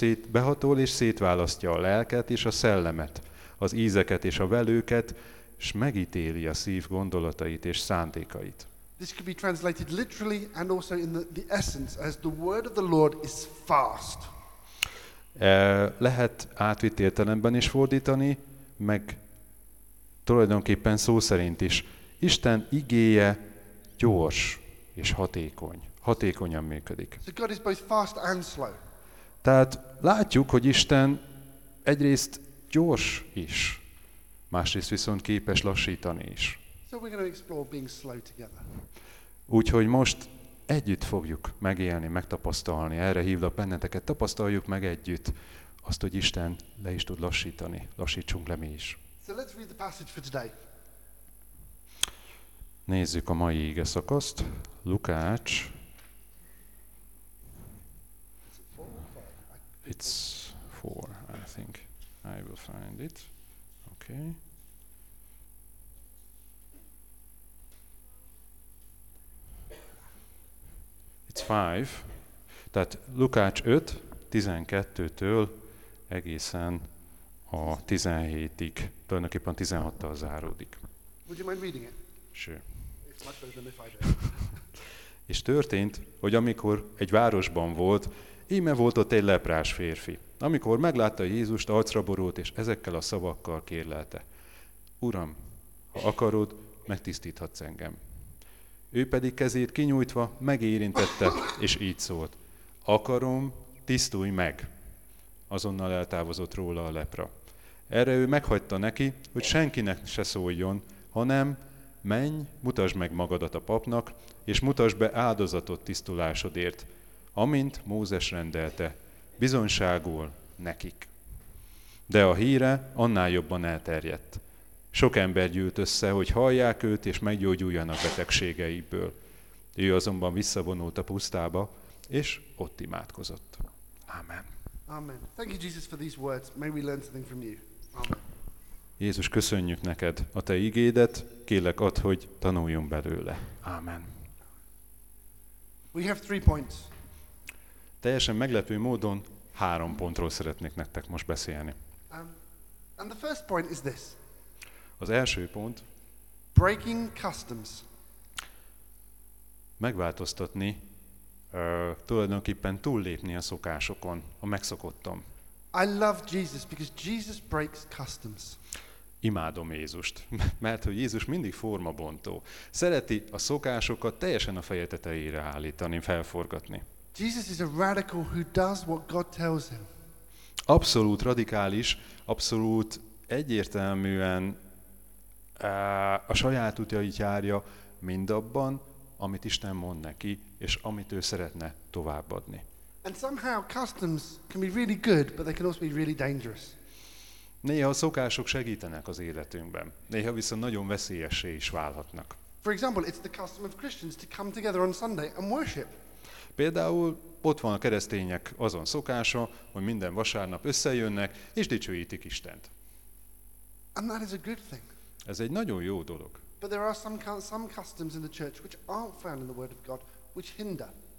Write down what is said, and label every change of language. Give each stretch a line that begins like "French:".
Hungarian: Behatol és szétválasztja a lelket és a szellemet, az ízeket és a velőket, s megítéli a szív gondolatait és szándékait.
English: This could be translated literally and also in the essence as the word of the Lord is fast.
Hungarian: Lehet átvitt értelemben is fordítani, meg tulajdonképpen szó szerint is. Isten igéje gyors és hatékony. Hatékonyan működik.
English: So God is both fast and slow.
Hungarian: Tehát látjuk, hogy Isten egyrészt gyors is, másrészt viszont képes lassítani is.
English: So we're going to explore being slow together.
Hungarian: Úgyhogy most együtt fogjuk megélni, megtapasztalni. Erre hívlak benneteket. Tapasztaljuk meg együtt azt, hogy Isten le is tud lassítani. Lassítsunk le mi is.
English: So let's read the passage for today.
Hungarian: Nézzük a mai ige szakaszt. Lukács.
English: It's four, I think. I will find it. Okay. Yeah.
Hungarian: 5, tehát Lukács 5, 12-től egészen a 17-ig, tulajdonképpen 16-tal záródik.
English: Would you mind reading it? Sure. It's much better than if I did.
Hungarian: És történt, hogy amikor egy városban volt, íme volt ott egy leprás férfi. Amikor meglátta Jézust, arcra borult, és ezekkel a szavakkal kérlelte. Uram, ha akarod, megtisztíthatsz engem. Ő pedig kezét kinyújtva megérintette, és így szólt. Akarom, tisztulj meg! Azonnal eltávozott róla a lepra. Erre ő meghagyta neki, hogy senkinek se szóljon, hanem menj, mutasd meg magadat a papnak, és mutasd be áldozatot tisztulásodért, amint Mózes rendelte, bizonyságul nekik. De a híre annál jobban elterjedt. Sok ember gyűlt össze, hogy hallják őt, és meggyógyuljanak betegségeiből. Ő azonban visszavonult a pusztába, és ott imádkozott. Amen. Amen.
English: Thank you, Jesus, for these words. May we learn something from you. Amen.
Hungarian: Jézus, köszönjük neked a te igédet, kérlek add, hogy tanuljunk belőle. Amen.
English: We have 3 points.
Hungarian: Teljesen meglepő módon 3 pontról szeretnék nektek most beszélni.
English: And the first point is this.
Hungarian: Az első pont.
English: Breaking customs.
Hungarian: Megváltoztatni, tulajdonképpen túllépni a szokásokon, a megszokottom.
English: I love Jesus because Jesus breaks customs.
Hungarian: Imádom Jézust, mert hogy Jézus mindig formabontó. Szereti a szokásokat teljesen a feje tetejére állítani, felforgatni.
English: Jesus is a radical who does what God tells him.
Hungarian: Abszolút radikális, abszolút egyértelműen a saját útjait járja mindabban, amit Isten mond neki, és amit ő szeretne továbbadni.
English: And somehow customs can be really good, but they can also be really dangerous.
Hungarian: Néha a szokások segítenek az életünkben, néha viszont nagyon veszélyessé is válhatnak.
English: For example, it's the custom of Christians to come together on Sunday and worship.
Hungarian: Például ott van a keresztények azon szokása, hogy minden vasárnap összejönnek és dicsőítik Istent.
English: And that is a good thing.
Hungarian: Ez egy nagyon jó dolog.
English: But there are some customs in the church which aren't found in the Word of God, which hinder.